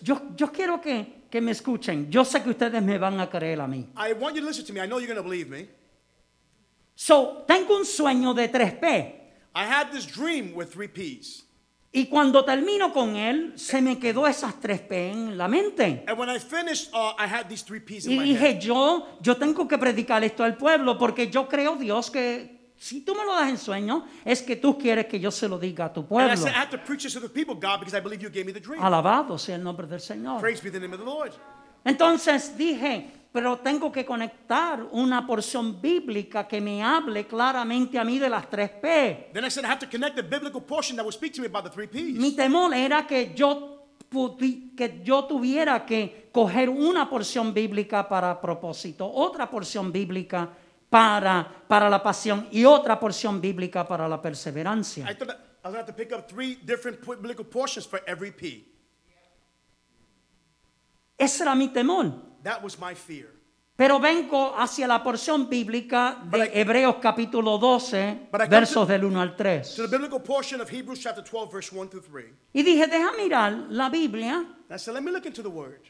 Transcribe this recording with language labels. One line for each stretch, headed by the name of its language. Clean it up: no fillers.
Spanish: Yo quiero que me escuchen. Yo sé que ustedes me van a creer a mí.
English: I want you to listen to me. I know you're going to believe me.
Spanish: So, tengo un sueño de 3P.
English: I had this dream with 3Ps.
Spanish: Y cuando termino con él, se me quedó esas 3P en la mente.
English: And when I finished, I had these 3Ps in my head.
Spanish: Y dije, yo tengo que predicar esto al pueblo, porque yo creo, Dios, que si tú me lo das en sueño, es que tú quieres que yo se lo diga a tu pueblo.
English: And I said, I have to preach this to the people, God, because I believe you gave me the dream.
Spanish: Alabado sea el nombre del Señor.
English: Praise be the name of the Lord.
Spanish: Entonces dije, pero tengo que conectar una porción bíblica que me hable claramente a mí de las 3P.
English: Then I said I have to connect the biblical portion that would speak to me about the 3Ps.
Spanish: Mi temor era que yo tuviera que coger una porción bíblica para propósito, otra porción bíblica para la pasión y otra porción bíblica para la perseverancia.
English: I thought I was going to have to pick up three different biblical portions for every P.
Spanish: Ese era mi temor.
English: That was my fear.
Spanish: Pero vengo hacia la porción bíblica de Hebreos capítulo 12, versos del 1 al 3.
English: To the biblical portion of Hebrews chapter 12, verse 1 through 3.
Spanish: Y dije, deja mirar la Biblia.
English: I said, let me look into the word.